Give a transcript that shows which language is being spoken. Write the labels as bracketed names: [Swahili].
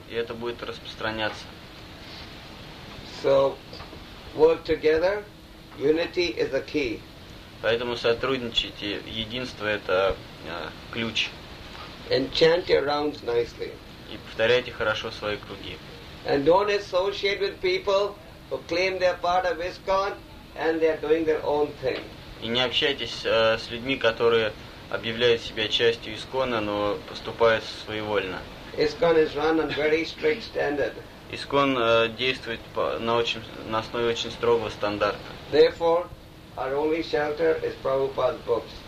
[Russian] И это будет распространяться. [English] So, work together. Unity is the key. [Russian] Поэтому сотрудничайте. Единство это ключ. [English] And chant your rounds nicely. [Russian] И повторяйте хорошо свои круги. [English] And don't associate with people who claim they're part of ISKCON and they're doing their own thing. [Russian] И не общайтесь с людьми, которые объявляют себя частью ИСККОНа, но поступают своевольно. [English] ISKCON is run on very strict standard. [Russian] Искон действует по, на, очень, на основе очень строгого стандарта. [English] Therefore, our only shelter is Prabhupada's books.